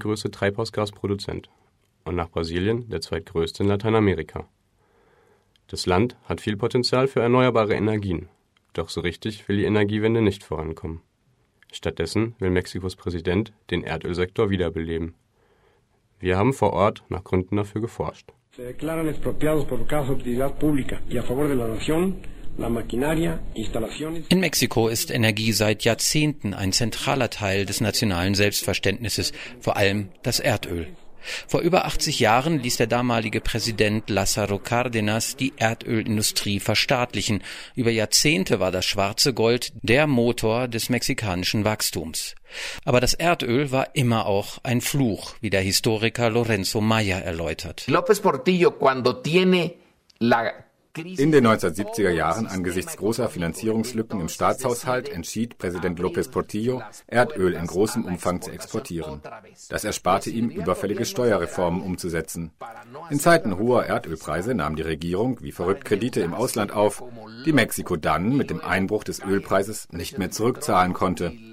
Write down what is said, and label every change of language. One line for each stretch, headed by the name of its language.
German: Treibhausgasproduzent und nach Brasilien der 2. in Lateinamerika. Das Land hat viel Potenzial für erneuerbare Energien. Doch so richtig will die Energiewende nicht vorankommen. Stattdessen will Mexikos Präsident den Erdölsektor wiederbeleben. Wir haben vor Ort nach Gründen dafür geforscht.
Spanish: Se declaran expropiados por causa de utilidad pública y a favor de la nación
German: In Mexiko ist Energie seit Jahrzehnten ein zentraler Teil des nationalen Selbstverständnisses, vor allem das Erdöl. Vor über 80 Jahren ließ der damalige Präsident Lázaro Cárdenas die Erdölindustrie verstaatlichen. Über Jahrzehnte war das schwarze Gold der Motor des mexikanischen Wachstums. Aber das Erdöl war immer auch ein Fluch, wie der Historiker Lorenzo Maya erläutert.
Spanish: López Portillo, cuando tiene la...
German: In den 1970er Jahren, angesichts großer Finanzierungslücken im Staatshaushalt, entschied Präsident López Portillo, Erdöl in großem Umfang zu exportieren. Das ersparte ihm, überfällige Steuerreformen umzusetzen. In Zeiten hoher Erdölpreise nahm die Regierung, wie verrückt, Kredite im Ausland auf, die Mexiko dann mit dem Einbruch des Ölpreises nicht mehr zurückzahlen konnte.